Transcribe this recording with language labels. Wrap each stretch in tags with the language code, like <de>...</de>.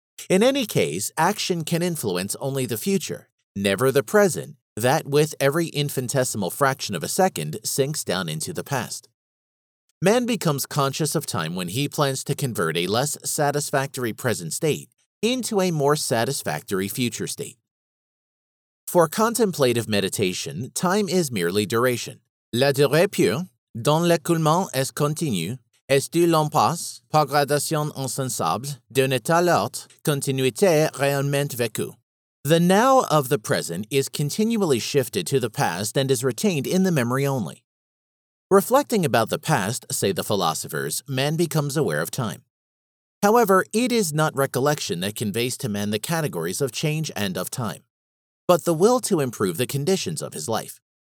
<en>In any case, action can influence only the future, never the present, that with every infinitesimal fraction of a second sinks down into the past. Man becomes conscious of time when he plans to convert a less satisfactory present state into a more satisfactory future state. For contemplative meditation, time is merely duration.</en> <fr>La durée pure, dont l'écoulement est continu, est du long pas, par gradation insensible, d'un état l'autre, continuité réellement vécue.</fr> <en>The now of the present is continually shifted to the past and is retained in the memory only. Reflecting about the past, say the philosophers, man becomes aware of time. However, it is not recollection that conveys to man the categories of change and of time, but the will to improve the conditions of his life.</en>